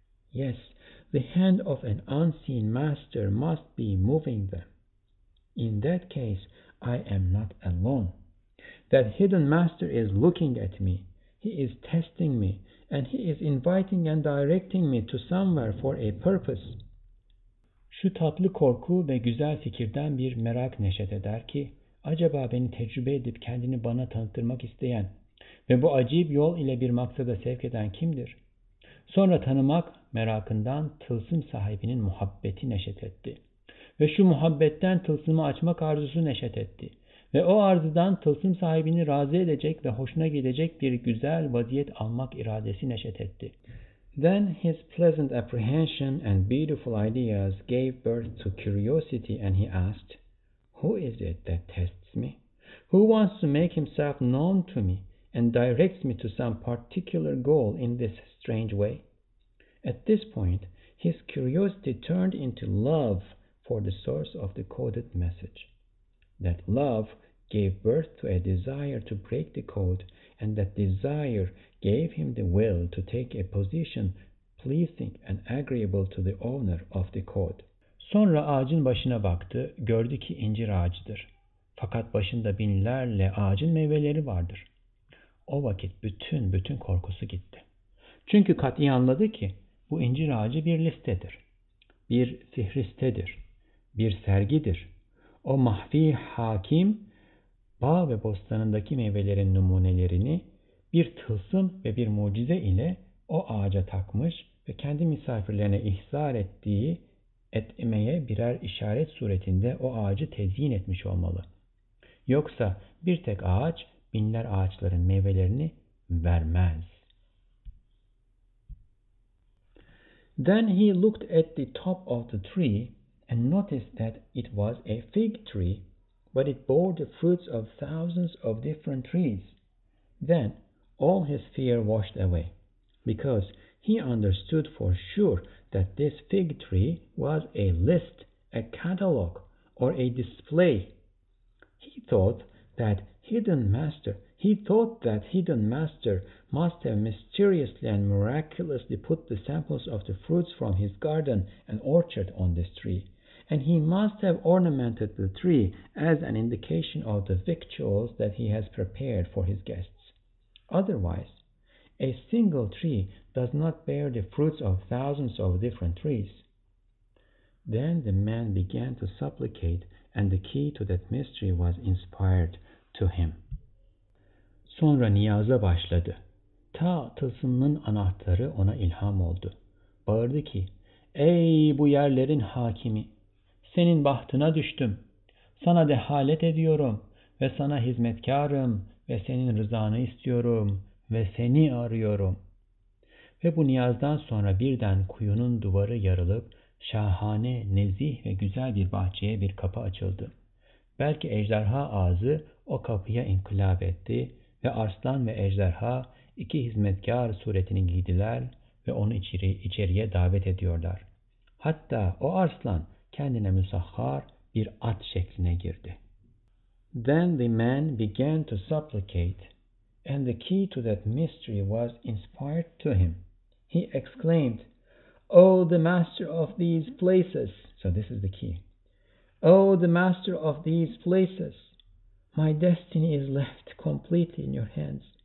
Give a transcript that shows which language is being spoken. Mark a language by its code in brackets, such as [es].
[en] Yes, the hand of an unseen master must be moving them. In that case, I am not alone. That hidden master is looking at me. He is testing me, and he is inviting and directing me to somewhere for a purpose. [tr] Şu tatlı korku ve güzel fikirden bir merak neşet eder ki, acaba beni tecrübe edip kendini bana tanıttırmak isteyen ve bu acayip yol ile bir maksada sevk eden kimdir? Sonra tanımak merakından tılsım sahibinin muhabbeti neşet etti. Ve şu muhabbetten tılsımı açmak arzusu neşet etti. Ve o arzudan tılsım sahibini razı edecek ve hoşuna gidecek bir güzel vaziyet almak iradesi neşet etti. [en] Then his pleasant apprehension and beautiful ideas gave birth to curiosity, and he asked, "Who is it that tests me? Who wants to make himself known to me and directs me to some particular goal in this strange way?" At this point, his curiosity turned into love for the source of the coded message. That love gave birth to a desire to break the code, and that desire gave him the will to take a position pleasing and agreeable to the owner of the code. [tr] Sonra ağacın başına baktı, gördü ki incir ağacıdır. Fakat başında binlerle ağacın meyveleri vardır. O vakit bütün korkusu gitti. Çünkü kat'i anladı ki bu incir ağacı bir listedir, bir fihristedir, bir sergidir. O mahfi hakim, bağ ve bostanındaki meyvelerin numunelerini bir tılsım ve bir mucize ile o ağaca takmış ve kendi misafirlerine ihzar ettiği etmeye birer işaret suretinde o ağacı tezyin etmiş olmalı. Yoksa bir tek ağaç binler ağaçların meyvelerini vermez. [en] Then he looked at the top of the tree and noticed that it was a fig tree, but it bore the fruits of thousands of different trees. Then all his fear washed away, because he understood for sure that this fig tree was a list, a catalog, or a display. He thought that hidden master must have mysteriously and miraculously put the samples of the fruits from his garden and orchard on this tree, and he must have ornamented the tree as an indication of the victuals that he has prepared for his guests. Otherwise, a single tree does not bear the fruits of thousands of different trees. Then the man began to supplicate, and the key to that mystery was inspired to him. [tr] Sonra niyaza başladı. Ta tılsımının anahtarı ona ilham oldu. Bağırdı ki, "Ey bu yerlerin hakimi! Senin bahtına düştüm. Sana dehalet ediyorum ve sana hizmetkarım ve senin rızanı istiyorum ve seni arıyorum." Ve bu niyazdan sonra birden kuyunun duvarı yarılıp şahane, nezih ve güzel bir bahçeye bir kapı açıldı. Belki ejderha ağzı o kapıya inkılap etti ve arslan ve ejderha iki hizmetkar suretini giydiler ve onu içeriye davet ediyorlar. Hatta o aslan kendine müsahhar bir at şekline girdi. [en] Then the man began to supplicate, and the key to that mystery was inspired to him. He exclaimed, O the master of these places! So this is the key. O the master of these places! My destiny is left completely in your hands.